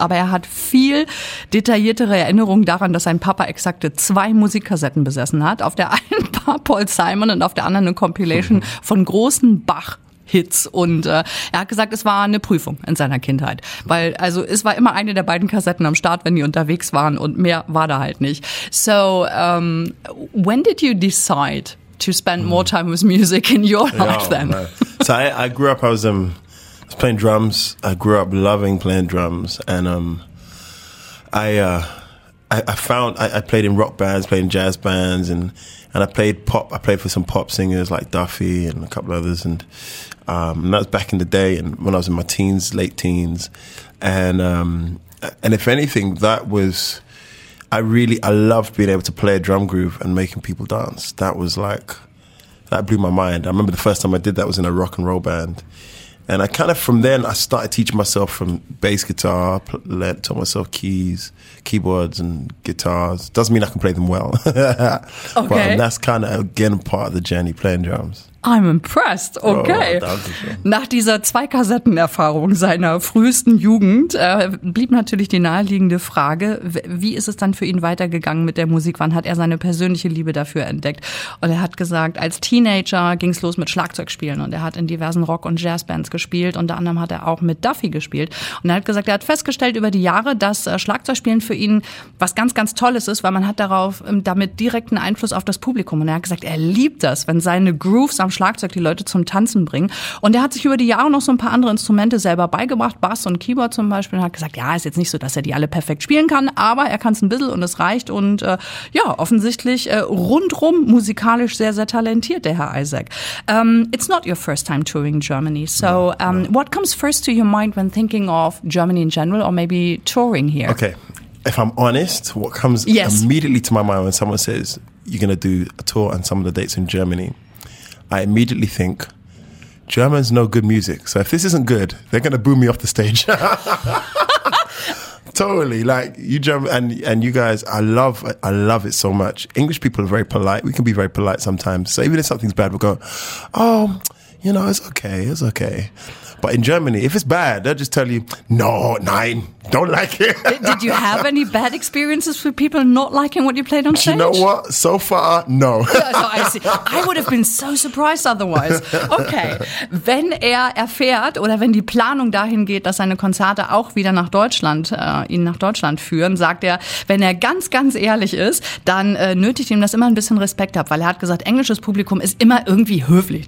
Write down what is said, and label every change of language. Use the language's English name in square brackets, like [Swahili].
[German] Aber er hat viel detailliertere Erinnerungen daran, dass sein Papa exakte 2 Musikkassetten besessen hat. Auf der einen war Paul Simon und auf der anderen eine Compilation von großen Bach Hits und er hat gesagt, es war eine Prüfung in seiner Kindheit, weil also es war immer eine der beiden Kassetten am Start, wenn die unterwegs waren und mehr war da halt nicht. [English] So, when did you decide to spend more time with music in your life then? So I grew up, I was playing drums. I grew up loving playing drums and I played in rock bands, played in jazz bands and I played pop. I played for some pop singers like Duffy and a couple others and that was back in the day and when I was in my teens, late teens. And if anything, that was, I loved being able to play a drum groove and making people dance. That was like, that blew my mind. I remember the first time I did that was in a rock and roll band. And I kind of, from then, I started teaching myself from bass guitar, taught myself keys, keyboards and guitars. Doesn't mean I can play them well. Okay. But that's kind of, again, part of the journey, playing drums. I'm impressed. Okay. [German] Oh, danke schön. Nach dieser 2-Kassetten-Erfahrung seiner frühesten Jugend blieb natürlich die naheliegende Frage, wie ist es dann für ihn weitergegangen mit der Musik? Wann hat er seine persönliche Liebe dafür entdeckt? Und er hat gesagt, als Teenager ging es los mit Schlagzeugspielen und er hat in diversen Rock- und Jazzbands gespielt. Unter anderem hat er auch mit Duffy gespielt. Und er hat gesagt, er hat festgestellt über die Jahre, dass Schlagzeugspielen für ihn was ganz, ganz Tolles ist, weil man hat damit direkten Einfluss auf das Publikum. Und er hat gesagt, er liebt das, wenn seine Grooves am Schlagzeug die Leute zum Tanzen bringen. Und er hat sich über die Jahre noch so ein paar andere Instrumente selber beigebracht, Bass und Keyboard zum Beispiel, und hat gesagt, ja, ist jetzt nicht so, dass er die alle perfekt spielen kann, aber er kann es ein bisschen und es reicht. Und offensichtlich rundrum musikalisch sehr, sehr talentiert, der Herr Isaac. [English] It's not your first time touring Germany, so what comes first to your mind when thinking of Germany in general or maybe touring here? Okay, if I'm honest, what comes immediately to my mind when someone says, you're going to do a tour and some of the dates in Germany, I immediately think, Germans know good music. So if this isn't good, they're going to boo me off the stage. Totally. Like, you German, and you guys, I love it so much. English people are very polite. We can be very polite sometimes. So even if something's bad, we'll go, oh, you know, it's okay. But in Germany, if it's bad, they'll just tell you, no, nein, don't like it. Did you have any bad experiences with people not liking what you played on stage? You know what? So far, no. Yeah, so I see. I would have been so surprised otherwise. [German] Okay, wenn er erfährt oder wenn die Planung dahin geht, dass seine Konzerte auch wieder nach Deutschland, ihn nach Deutschland führen, sagt er, wenn er ganz, ganz ehrlich ist, dann nötigt ihm das immer ein bisschen Respekt ab, weil er hat gesagt, englisches Publikum ist immer irgendwie höflich.